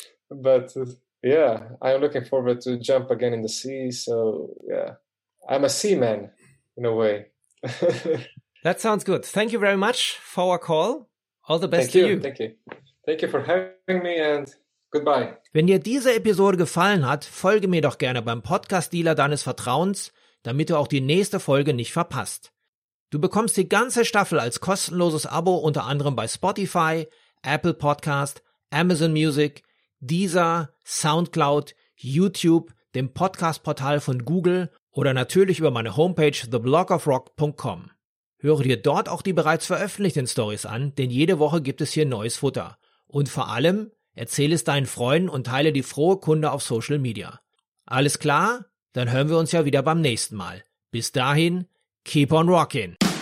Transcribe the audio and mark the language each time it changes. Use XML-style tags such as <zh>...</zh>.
<en>But yeah, I'm looking forward to jump again in the sea. So yeah, I'm a seaman in a way. That sounds good. Thank you very much for our call. All the best to you. Thank you. Thank you for having me and goodbye.</en> <de>Wenn dir diese Episode gefallen hat, folge mir doch gerne beim Podcast-Dealer deines Vertrauens, damit du auch die nächste Folge nicht verpasst. Du bekommst die ganze Staffel als kostenloses Abo unter anderem bei Spotify, Apple Podcast, Amazon Music, Deezer, Soundcloud, YouTube, dem Podcast-Portal von Google oder natürlich über meine Homepage theblogofrock.com. Höre dir dort auch die bereits veröffentlichten Stories an, denn jede Woche gibt es hier neues Futter. Und vor allem, erzähle es deinen Freunden und teile die frohe Kunde auf Social Media. Alles klar? Dann hören wir uns ja wieder beim nächsten Mal. Bis dahin,</de> <en>keep on rocking!</en>